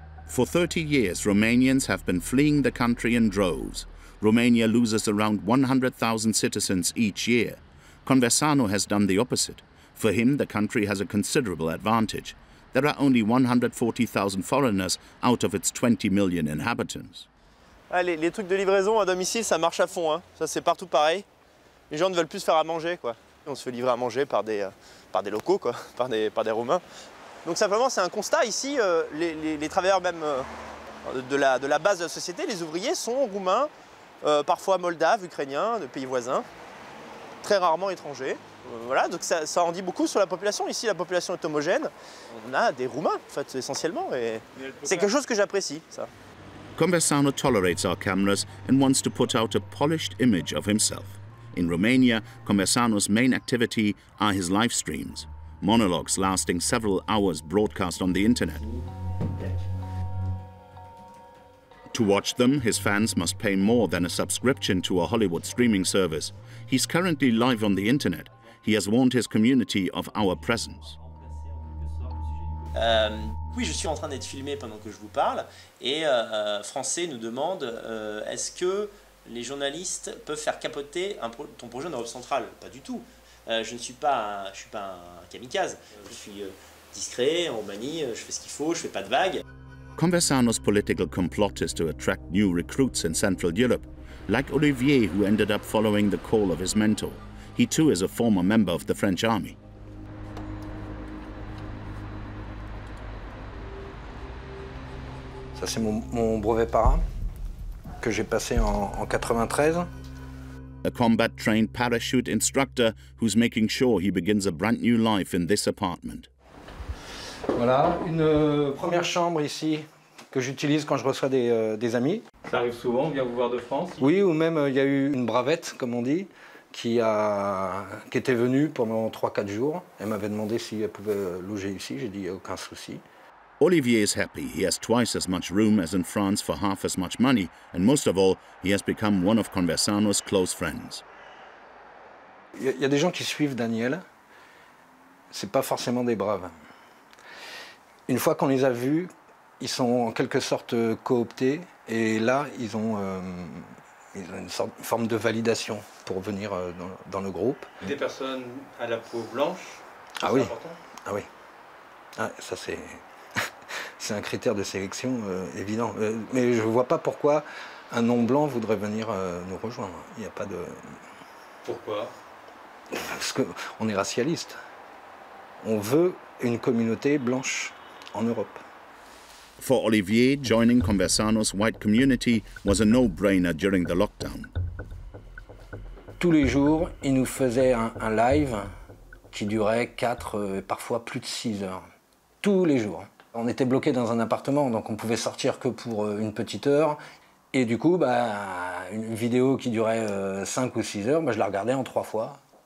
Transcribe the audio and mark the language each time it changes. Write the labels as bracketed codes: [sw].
[en] For 30 years, Romanians have been fleeing the country in droves. Romania loses around 100,000 citizens each year. Conversano has done the opposite. For him, the country has a considerable advantage. There are only 140,000 foreigners out of its 20 million inhabitants. [fr] Allez, les trucs de livraison à domicile, ça marche à fond, hein. Ça, c'est partout pareil. Les gens ne veulent plus se faire à manger, quoi. On se fait livrer à manger par des locaux, quoi, par des Roumains. Donc simplement, c'est un constat ici. Les travailleurs même de la base de la société, les ouvriers, sont Roumains, parfois Moldaves, Ukrainiens, de pays voisins, très rarement étrangers. Voilà, donc ça en dit beaucoup sur la population. Ici, la population est homogène. On a des Roumains, en fait, essentiellement. Et c'est quelque chose que j'apprécie, ça. [en] Conversano tolerates our cameras and wants to put out a polished image of himself. In Romania, Conversano's main activity are his live streams, monologues lasting several hours broadcast on the internet. To watch them, his fans must pay more than a subscription to a Hollywood streaming service. He's currently live on the internet. He has warned his community of our presence. [fr] Oui, je suis en train d'être filmé pendant que je vous parle et Français nous demande est-ce que les journalistes peuvent faire capoter ton projet en Europe centrale? Pas du tout. Je ne suis pas un kamikaze. Je suis discret, en Roumanie, je fais ce qu'il faut, je ne fais pas de vagues. [en] Conversano's political complot is to attract new recruits in Central Europe, like Olivier, who ended up following the call of his mentor. He too is a former member of the French army. [fr] Ça, c'est mon brevet para, que j'ai passé en 93. [en] A combat-trained parachute instructor who's making sure he begins a brand new life in this apartment. [fr] Voilà, une première chambre ici que j'utilise quand je reçois des amis. Ça arrive souvent, on vient vous voir de France. Oui, ou même il y a eu une bravette, comme on dit, qui était venue pendant 3-4 jours. Elle m'avait demandé si elle pouvait loger ici. J'ai dit aucun souci. [en] Olivier is happy. He has twice as much room as in France for half as much money. And most of all, he has become one of Conversano's close friends. [fr] Il y a des gens qui suivent Daniel. C'est pas forcément des braves. Une fois qu'on les a vus, ils sont en quelque sorte cooptés. Et là, ils ont une forme de validation pour venir dans le groupe. Des personnes à la peau blanche, ah oui. Ah oui. Ah, ça c'est... C'est un critère de sélection évident. Mais je ne vois pas pourquoi un non-blanc voudrait venir nous rejoindre. Il n'y a pas de... Pourquoi ? Parce qu'on est racialiste. On veut une communauté blanche en Europe. [en] For Olivier, joining Conversano's white community was a no-brainer during the lockdown. [fr] Tous les jours, il nous faisait un live qui durait 4 et parfois plus de 6 heures. Tous les jours. On était bloqué dans un appartement, donc on pouvait sortir que pour une petite heure. Et du coup, une vidéo qui durait 5 ou 6 heures, je la regardais en 3 fois.